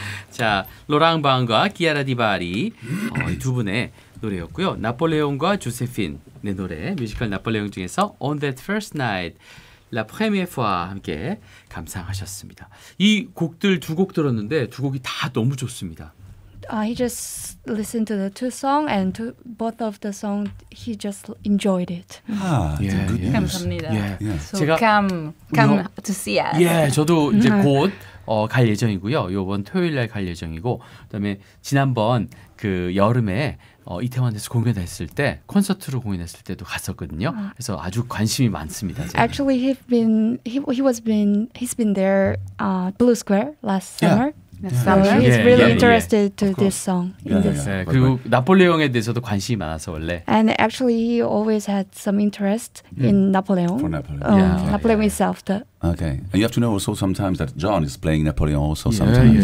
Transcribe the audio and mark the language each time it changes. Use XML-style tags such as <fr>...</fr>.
<ko>자, 로랑 방과 기아라 디바리 두 분의 노래였고요. 나폴레옹과 조세핀의 노래, 뮤지컬 나폴레옹 중에서 On That First Night, La Première Fois 함께 감상하셨습니다. 이 곡들 두 곡 들었는데 두 곡이 다 너무 좋습니다.</ko> <en>He just listened to the two songs and to both of the songs, he just enjoyed it. Ah, yeah, good news.</en> <ko>감사합니다.</ko> <en>Yeah, yeah. So</en> <ko>제가</ko> <en>come to see us.</en> <ko>예, yeah, 저도 이제 곧 갈 예정이고요. 이번 토요일날 갈 예정이고, 그다음에 지난번 그 여름에 이태원에서 공연했을 때 콘서트로 공연했을 때도 갔었거든요. 그래서 아주 관심이 많습니다. 저는.</ko> <en>Actually, he's been there Blue Square last summer. Yeah. Yeah. He's really interested to this song. In this song.</en> <ko>그리고 나폴레옹에 대해서도 관심이 많아서 원래.</ko> <en>And actually, he always had some interest in Napoleon. For Napoleon. Napoleon itself. Okay. And you have to know also sometimes that John is playing Napoleon also sometimes.</en>